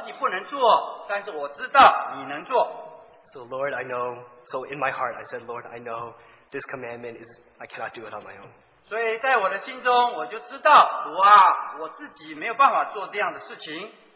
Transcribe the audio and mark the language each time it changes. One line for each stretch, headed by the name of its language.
Chinese: 就是说这句话就是说主，我知道我自己不能做，但是我知道你能做。
English: So Lord, I know. So in my heart, I said, Lord, I know. This commandment is, I cannot do it on my own.
Chinese: 所以在我的心中，我就知道，主啊，我自己没有办法做这样的事情。